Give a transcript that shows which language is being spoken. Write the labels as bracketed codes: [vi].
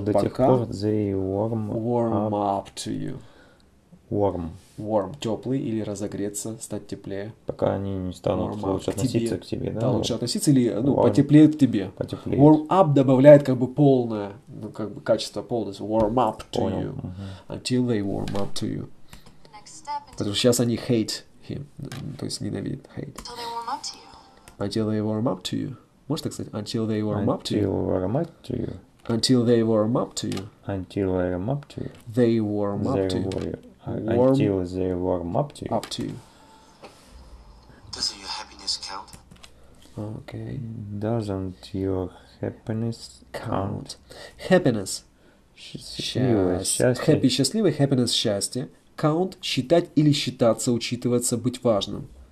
[ru] до тех пор [en] they warm up. Warm up to you. Warm. Warm. [ru] Теплый или разогреться, стать теплее. Пока они не станут лучше относиться к тебе. Да, да, лучше относиться или ну, потеплее к тебе. Потеплеет. [en] Warm up [ru] добавляет как бы полное, ну как бы качество полностью. [en] Warm up to [ru] Понял. [en] You. Until they warm up to you. [ru] Потому что сейчас они [en] hate him. [ru] То есть ненавидят hate. [en] Until they warm up to you. [ru] Можно так сказать? [en] Until they warm up to you. Until they warm up to you. Until they warm up to you. Until they warm up to you. They warm up to you. Warm until they warm up to you. Up to you. Doesn't your happiness count? Okay. Doesn't your happiness count? Happiness. [ru] Счастье. Happy, счастливый, happiness, счастье. Count, считать или считаться, учитываться, быть важным.